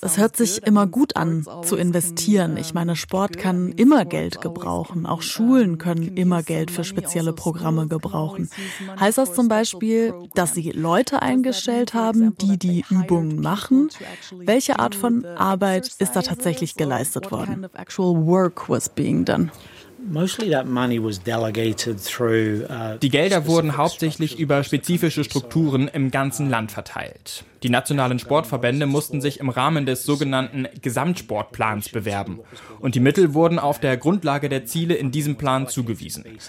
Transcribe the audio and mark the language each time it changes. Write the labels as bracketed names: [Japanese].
[German] Es hört sich immer gut an, zu investieren. Ich meine, Sport kann immer Geld gebrauchen. Auch Schulen können immer Geld für spezielle Programme gebrauchen. Heißt das zum Beispiel, dass Sie Leute eingestellt haben, die die Übungen machen? Welche Art von Arbeit ist da tatsächlich geleistet worden? [English] Actual work was being done. [German] Die Gelder wurden hauptsächlich über spezifische Strukturen im ganzen Land verteilt. Die nationalen Sportverbände mussten sich im Rahmen des sogenannten Gesamtsportplans bewerben. Und die Mittel wurden auf der Grundlage der Ziele in diesem Plan zugewiesen.